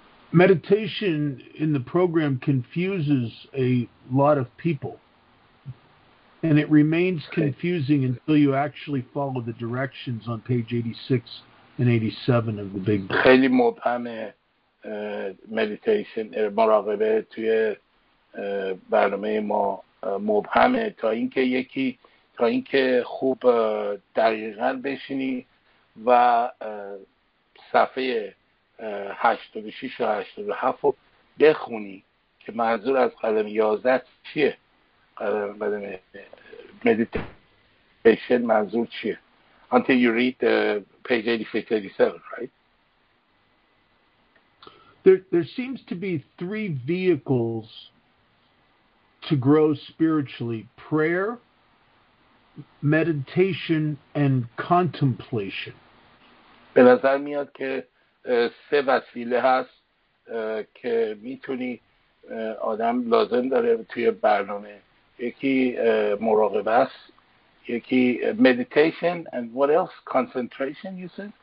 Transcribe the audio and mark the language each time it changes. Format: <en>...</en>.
<en>Meditation in the program confuses a lot of people, and it remains confusing until you actually follow the directions on page 86 and 87 of the big book.</en> <fa>خیلی مبهمه مدیتیشن، مراقبه توی برنامه ما مبهمه، تا اینکه خوب دقیقاً بشینی و صفحه 86 و 87 رو بخونی که منظور از قلم 11 چیه، قلم مدیتیشن منظور چیه.</fa> <en>Until you read the page 86-87, right? There seems to be three vehicles to grow spiritually: prayer, meditation, and contemplation.</en> <fa>به نظر میاد که سه وسیله هست که میتونی آدم لازم داره توی برنامه. یکی مراقبه است، یکی</fa> <en>meditation, and what else? Concentration, you said?</en>